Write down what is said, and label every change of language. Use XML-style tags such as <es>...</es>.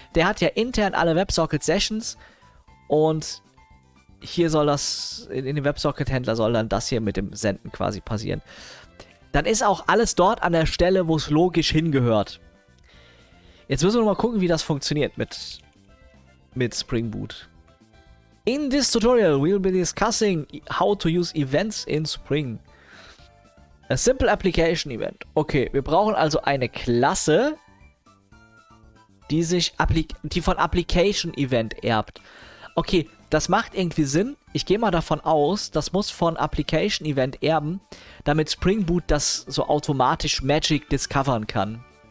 <de>Der hat ja intern alle WebSocket-Sessions und hier soll das, in dem WebSocket-Händler soll dann das hier mit dem Senden quasi passieren. Dann ist auch alles dort an der Stelle, wo es logisch hingehört. Jetzt müssen wir mal gucken, wie das funktioniert mit Spring Boot.</de> <en>In this tutorial, we'll be discussing how to use events in Spring. A simple application event.</en> <de>Okay, wir brauchen also eine Klasse, die von Application Event erbt. Okay, das macht irgendwie Sinn. Ich gehe mal davon aus, das muss von Application Event erben, damit Spring Boot das so automatisch Magic discovern kann.</de>